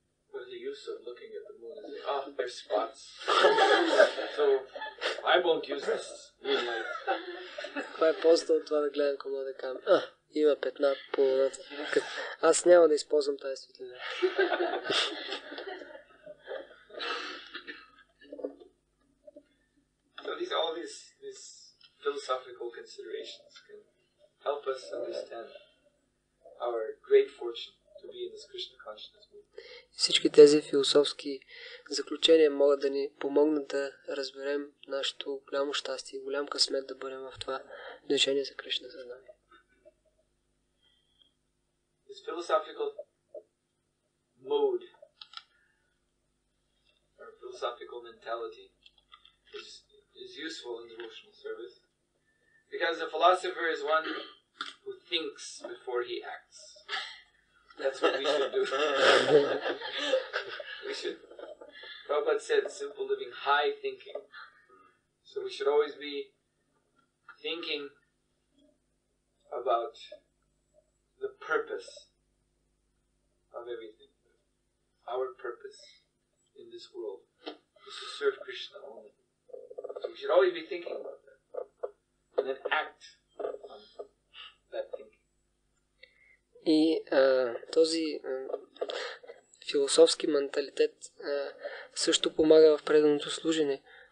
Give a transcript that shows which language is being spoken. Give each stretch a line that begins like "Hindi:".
English: What is the use of looking at the moon and saying, ah, there's spots. So, I won't use this moonlight.
Bulgarian: Каква е ползата от това да гледам към млада камера? А, има петна по луната. Аз няма да използвам тази светлина.
English: So these, all these philosophical considerations can help us understand our great fortune to be in this Krishna consciousness movement.
Bulgarian: Всички тези философски заключения могат да ни помогнат да разберем нашето голямо щастие и голям късмет да бъдем в това движение за Кришна съзнание.
English: This philosophical mode or philosophical mentality is useful in devotional service because a philosopher is one who thinks before he acts. That's what we should do. We should. Prabhupada said, simple living, high thinking. So we should always be thinking about the purpose of everything. Our purpose in this world is to serve Krishna only. So we should always be thinking about that. And then act on that thinking.
Bulgarian: И този философски менталитет също помага в преданото служене.